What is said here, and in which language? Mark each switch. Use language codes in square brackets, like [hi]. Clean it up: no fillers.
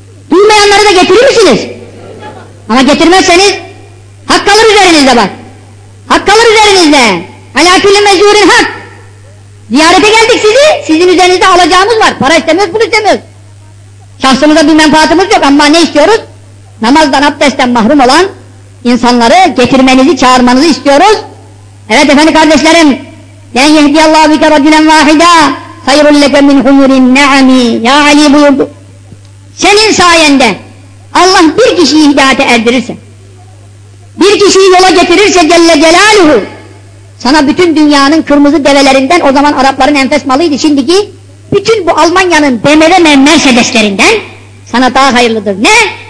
[tr] Duymayanları da getirir misiniz? Ama getirmezseniz hak kalır üzerinizde bak. Hak kalır üzerinizde. Alâ küllü mezûrin hak. Ziyarete geldik sizi. Sizin üzerinizde alacağımız var. Para istemiyoruz, pul istemiyoruz. Şahsımıza bir menfaatımız yok ama ne istiyoruz? Namazdan, abdestten mahrum olan insanları getirmenizi, çağırmanızı istiyoruz. Evet efendim kardeşlerim, [ar] لَنْ يَهْدِيَ اللّٰهُ بِكَ رَجُلًا وَاحِدًا خَيْرٌ لَكَ مِنْ حُمُرِ النَّعَمِ [tr] Ya Ali buyurdu. Senin sayende Allah bir kişiyi hidayete erdirirse, bir kişiyi yola getirirse Celle Celaluhu, sana bütün dünyanın kırmızı develerinden, o zaman Arapların enfes malıydı, şimdiki bütün bu Almanya'nın BMW ve Mercedes'lerinden sana daha hayırlıdır. Ne?